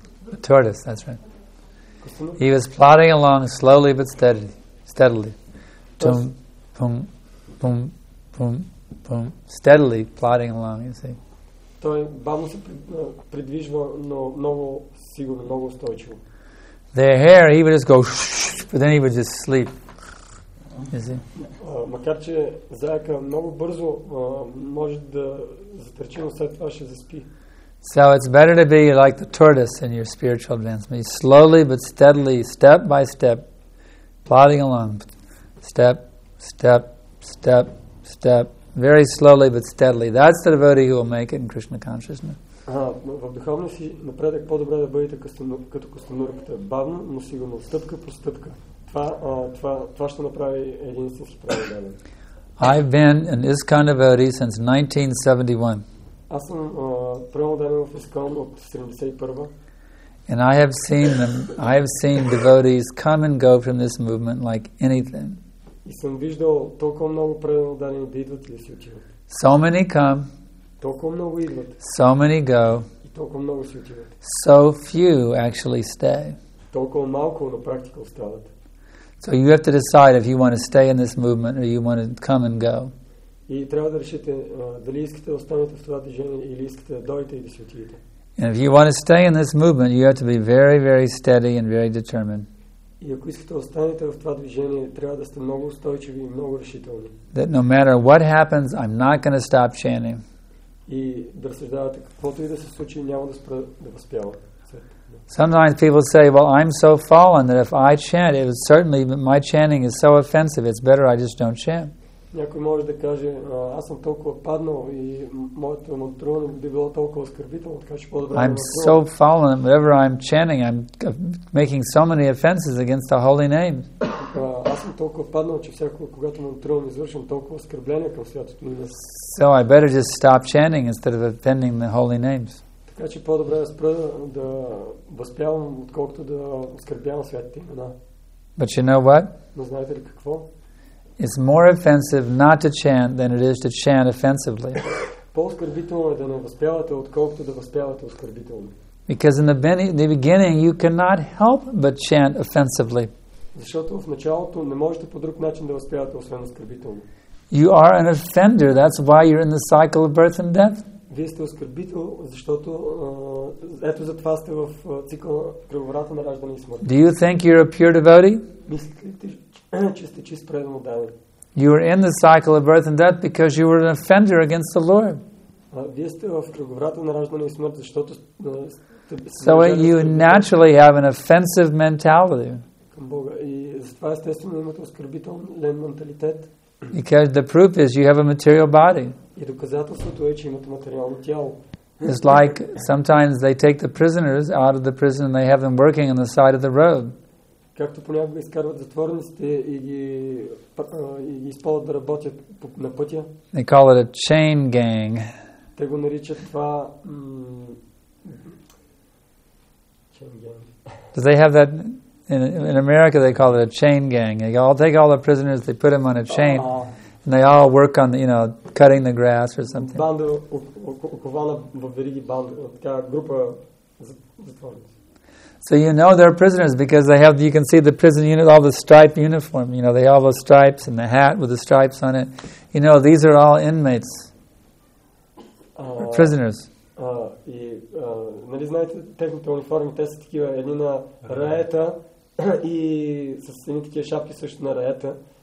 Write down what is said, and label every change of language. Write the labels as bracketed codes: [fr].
[en] The tortoise, that's right. He was plodding along slowly but steadily. Tum, pum, pum, pum, pum, steadily plodding along, you see. [bg] Той бавно се придвижва, но много сигурно, много устойчиво. [en] The hare, he would just go, but then he would just sleep. [bg] Макар че заека много бързо може да затърчи, но след това ще заспи. [en] So it's better to be like the tortoise in your spiritual advancement. Slowly but steadily, step by step, plodding along. Step, step, step, step. Very slowly but steadily. That's the devotee who will make it in Krishna consciousness. [bg] В духовния си напредък по-добре да бъдете като костенурката. Бавно, но сигурно. Стъпка по стъпка. Това ще направи един истински правилен ден. [en] I've been an ISKCON devotee since 1971. [bg] Аз съм приемал ден в ISKCON от 71-ва. [en] And I have seen devotees come and go from this movement like anything. [bg] И съм виждал толкова много преданно дани да идват или си отиват. [en] So many come. [bg] Толкова много идват. [en] So many go. [bg] И толкова много си отиват. [en] So few actually stay. [bg] Толкова малко на практика остават. [en] So you have to decide if you want to stay in this movement or you want to come and go. [bg] И трябва да решите дали искате да останете в това движение или искате да дойдете или си отидете. [en] And if you want to stay in this movement, you have to be very, very steady and very determined. [bg] И ако искате да останете в това движение, трябва да сте много устойчиви и много решителни. [en] That no matter what happens, I'm not going to stop chanting. [bg] И да разсъждавате каквото и да се случи, няма да спра да възпявам. [en] Sometimes people say, well, I'm so fallen that if I chant, it is certainly my chanting is so offensive, it's better I just don't chant. [bg] Някой може да каже, аз съм толкова паднал и моето мантруване би било толкова оскърбително, така че по-добре. [en] I'm so fallen and whatever I'm chanting, I'm making so many offenses against the holy name. [bg] Аз съм толкова паднал, че всяко, когато мантруване извършвам, толкова оскърбление към святото име. [en] So I better just stop chanting instead of offending the holy names. [bg] Така че по-добре да спра да възпявам, отколкото да оскърбявам святите имена. [en] But you know what? [bg] Но знаете ли какво? [en] It's more offensive not to chant than it is to chant offensively. [bg] По-оскърбително е да не възпявате, отколкото да възпявате оскърбително. [en] Because in the beginning you cannot help but chant offensively. [bg] Защото в началото не можете по друг начин да възпявате освен оскърбително. [en] You are an offender, that's why you're in the cycle of birth and death. [bg] Вие сте оскърбител, защото ето затова сте в цикъла кръговрата на раждане и смърт. [en] Do you think you're a pure devotee? [bg] Мислите, че сте чист предан отдаден. [en] You are in the cycle of birth and death because you were an offender against the Lord. [bg] Вие сте в кръговрата на раждане и смърт, защото сте [en] So you naturally have an offensive mentality. [bg] Към Бога. И затова естествено имате оскърбителен менталитет. [en] Because the proof is you have a material body. [bg] И доказателството е, че имате материално тяло. [en] It's like sometimes they take the prisoners out of the prison and they have them working on the side of the road. [bg] Както понякога изкарват затворниците и ги използват да работят на пътя. [en] They call it a chain gang. [bg] Те го наричат това chain gang. [en] Do they have that in America? They call it a chain gang. They all take all the prisoners, they put them on a chain. And they all work on, you know, cutting the grass or something. [bg] Банда окована във вериги, банда, така група затворници. [en] So you know they're prisoners because they have, you can see the prison unit, all the striped uniform, you know, they have all the stripes and the hat with the stripes on it. You know, these are all inmates. Prisoners. [bg] И нали знаете техните униформи, те са такива, едни на раета и със едни такива шапки също на раета.